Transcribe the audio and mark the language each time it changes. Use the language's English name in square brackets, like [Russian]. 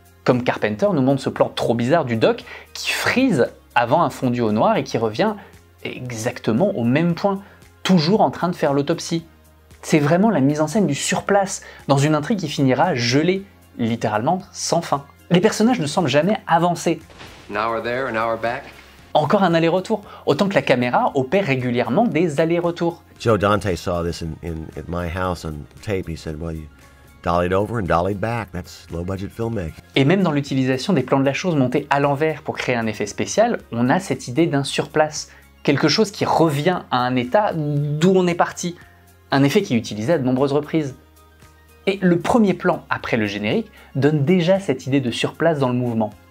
[French] Comme Carpenter nous montre ce plan trop bizarre du Doc qui frise avant un fondu au noir et qui revient exactement au même point, toujours en train de faire l'autopsie. C'est vraiment la mise en scène du surplace, dans une intrigue qui finira gelée, littéralement sans fin. Les personnages ne semblent jamais avancer. [English] An hour there, an hour back. [French] Encore un aller-retour, autant que la caméra opère régulièrement des allers-retours. [English] Joe Dante saw this at my house on tape, he said, well, you dollied over and dollied back, that's low-budget filmmaking. [French] Et même dans l'utilisation des plans de la chose montés à l'envers pour créer un effet spécial, on a cette idée d'un surplace, quelque chose qui revient à un état d'où on est parti. Un effet qui est utilisé à de nombreuses reprises. Et le premier plan, après le générique, donne déjà cette idée de surplace dans le mouvement.